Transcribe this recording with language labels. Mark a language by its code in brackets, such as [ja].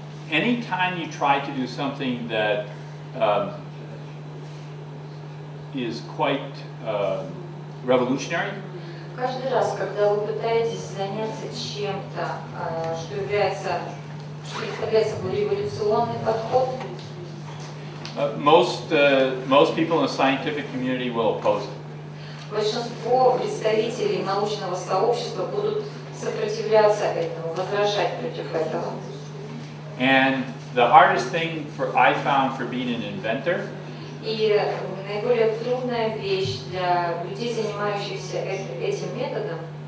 [en] Anytime you try to do something that is quite revolutionary. [ru] Каждый раз, когда вы пытаетесь заняться чем-то, что является собой революционный подход, [en] most people in the scientific community will oppose it. [ru] Большинство представителей научного сообщества будут сопротивляться этому, возражать против этого. [en] And the hardest thing I found for being an inventor. [ru] И наиболее трудная вещь для людей, занимающихся этим методом,